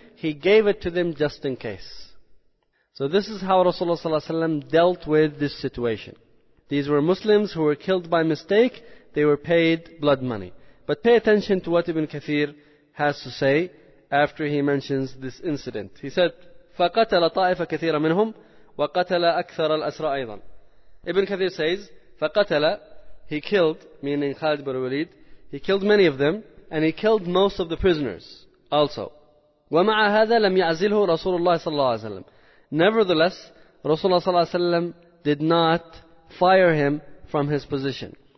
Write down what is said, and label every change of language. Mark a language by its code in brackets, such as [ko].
[en] He gave it to them just in case. So this is how Rasulullah sallallahu alaihi wasallam dealt with this situation. These were Muslims who were killed by mistake. They were paid blood money. But pay attention to what Ibn Kathir has to say after he mentions this incident. He said, [ar] فَقَتَلَ طَائِفَ كَثِيرًا مِنْهُمْ وَقَتَلَ أَكْثَرَ الْأَسْرَ أَيْضًا. [en] Ibn Kathir says, فَقَتَلَ, he killed, meaning Khalid ibn Walid, he killed many of them, and he killed most of the prisoners also. [ar] وَمَعَ هَذَا لَمْ يَعْزِلْهُ رَسُولُ اللَّهِ صَلَّى اللَّهُ عَلَيْهِ وَسَلَّمْ. [en] Nevertheless, Rasulullah صلى الله عليه وسلم did not fire him from his position.